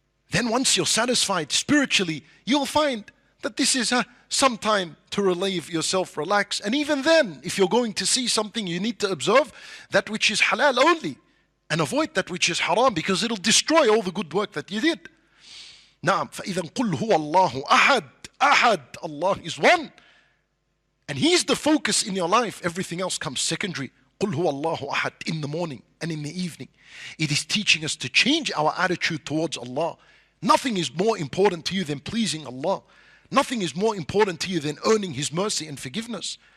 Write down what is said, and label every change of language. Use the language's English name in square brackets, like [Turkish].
[English] Then once you're satisfied spiritually, you'll find that this is some time to relieve yourself, relax. And even then, if you're going to see something, you need to observe that which is halal only and avoid that which is haram, because it'll destroy all the good work that you did. [Arabic] Na'am, فَإِذَنْ قُلْ هُوَ اللَّهُ أَحَدْ. [English] Allah is one. And He's the focus in your life. Everything else comes secondary. [Arabic] قُلْ هُوَ اللَّهُ أَحَدْ. [English] In the morning and in the evening. It is teaching us to change our attitude towards Allah. Nothing is more important to you than pleasing Allah. Nothing is more important to you than earning His mercy and forgiveness.